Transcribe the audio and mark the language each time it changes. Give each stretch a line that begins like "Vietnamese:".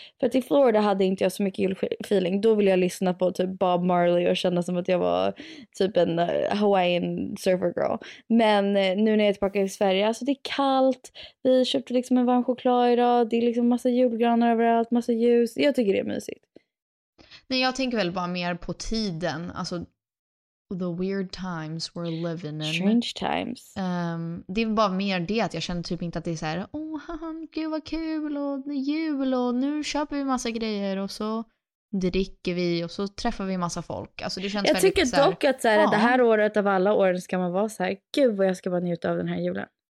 Swedish: För att i Florida hade inte jag så mycket julfeeling. Då ville jag lyssna på typ Bob Marley och känna som att jag var typ en Hawaiian surfer girl. Men nu när jag är tillbaka i Sverige, alltså det är kallt. Vi köpte liksom en varm choklad idag. Det är liksom massa julgranar överallt, massa ljus. Jag tycker det är mysigt. Nej, jag tänker väl bara mer på tiden. Alltså...
English: the weird times we're living in. Strange times.
Swedish: Det är bara mer det att jag känner typ inte att det är så här, gud vad kul och det är jul och nu köper vi massa grejer och så dricker vi och så träffar vi massa folk. Alltså, det känns jag tycker så här, dock att så här, det här året av alla åren ska man vara så här, gud vad jag ska bara njuta av den här julen.